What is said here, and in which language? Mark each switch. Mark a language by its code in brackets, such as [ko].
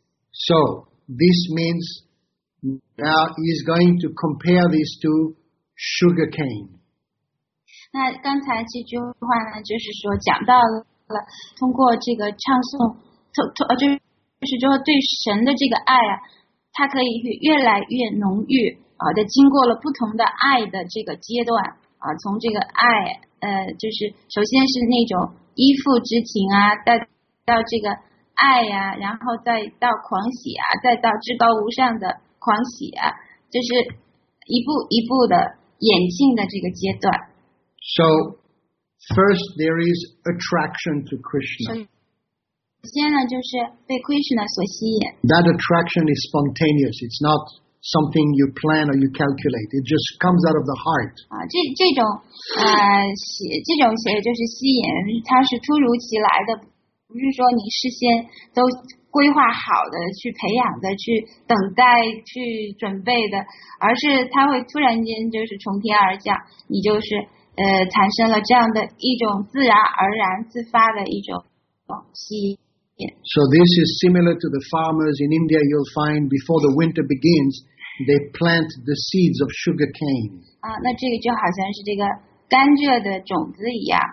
[en] So, this means now he's going to compare these to sugar cane. [zh] 那刚才这句话呢，就是说讲到了通过这个唱诵，就是说对神的这个爱啊，它可以越来越浓郁啊，在经过了不同的爱的这个阶段啊，从这个爱就是首先是那种依附之情啊，再到这个爱呀、啊，然后再到狂喜啊，再到至高无上的狂喜啊，就是一步一步的演进的这个阶段。 [en] So first there is attraction to Krishna. [zh] 先呢，就是被 Krishna 所吸引。 [en] That attraction is spontaneous. It's not something you plan or you calculate. It just comes out of the heart. [zh] 这种就是吸引，它是突如其来的，不是说你事先都规划好的去培养的、去等待、去准备的，而是它会突然间就是从天而降，你就是产生了这样的一种自然而然、自发的一种。 [en] So this is similar to the farmers in India. You'll find before the winter begins, they plant the seeds of sugar cane. [zh] 那这个就好像是这个甘蔗的种子一样。